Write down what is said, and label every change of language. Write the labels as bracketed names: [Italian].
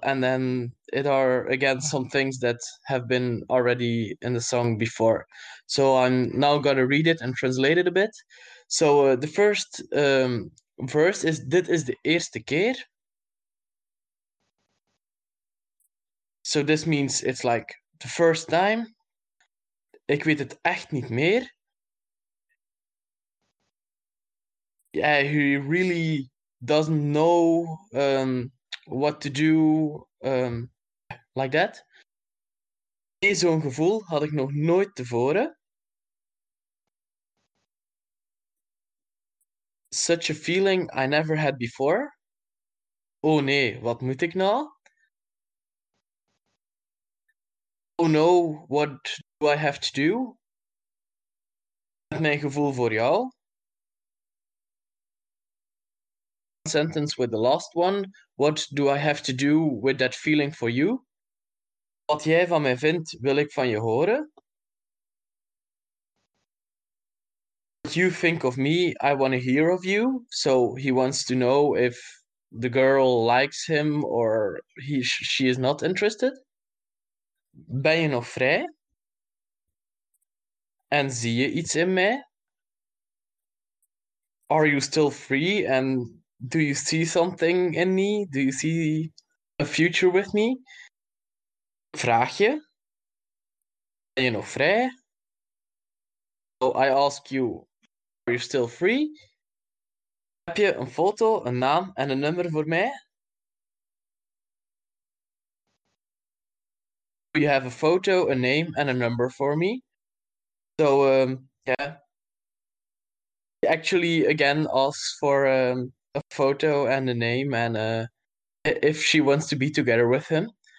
[English] And then it are again some things that have been already in the song before. So I'm now gonna read it and translate it a bit. So the first verse is, [Dutch] dit is de eerste keer. [English] So this means it's like the first time. [Dutch] Ik weet het echt niet meer. [English] Yeah, he really doesn't know what to do, like that. [Dutch] Nee, zo'n gevoel had ik nog nooit tevoren. [English] Such a feeling I never had before. [Dutch] Oh nee, wat moet ik nou? [English] Oh no, what do I have to do? [Dutch] Met mijn gevoel voor jou. [English] Sentence with the last one. What do I have to do with that feeling for you? [Dutch] Wat jij van mij vindt, wil ik van je horen. [English] What you think of me, I want to hear of you. So he wants to know if the girl likes him or she is not interested. [Dutch] Ben je nog vrij? En zie je iets in mij? [English] Are you still free and do you see something in me? Do you see a future with me? [Dutch] Vraag je? Ben je nog vrij? [English] So I ask you, are you still free? [Dutch] Heb je een foto, een naam en een nummer voor mij? [English] Do you have a photo, a name and a number for me? So, yeah. Actually, again, ask for a photo and a name and if she wants to be together with him.